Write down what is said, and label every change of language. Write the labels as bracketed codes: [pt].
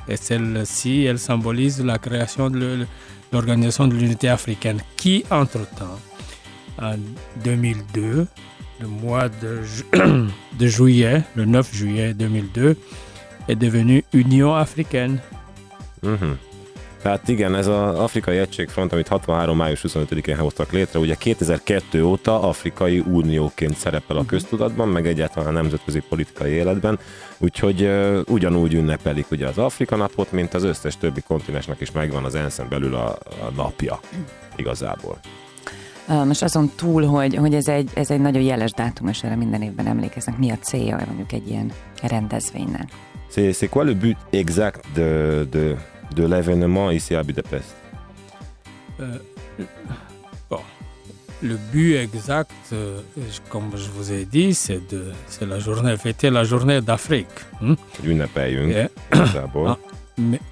[fr] Et celle-ci, elle symbolise la création de l'organisation de l'unité africaine qui, entre-temps, en 2002, le mois de juillet, le 9 juillet 2002, est devenue Union africaine. Mm-hmm. [hu] Tehát igen, ez az Afrikai Egységfront, amit 63. május 25-én hoztak létre, ugye 2002 óta afrikai unióként szerepel a köztudatban, meg egyáltalán a nemzetközi politikai életben, úgyhogy ugyanúgy ünnepelik ugye az Afrika napot, mint az összes többi kontinensnek is megvan az ENSZ-en belül a napja igazából. Most azon túl, hogy ez egy nagyon jeles dátum, és erre minden évben emlékeznek, mi a célja mondjuk egy ilyen rendezvénynek? [fr] C'est quoi le but exact de l'événement ici à Budapest? Bon, le but exact, comme je vous ai dit, c'est la journée fêtée, la journée d'Afrique. Mais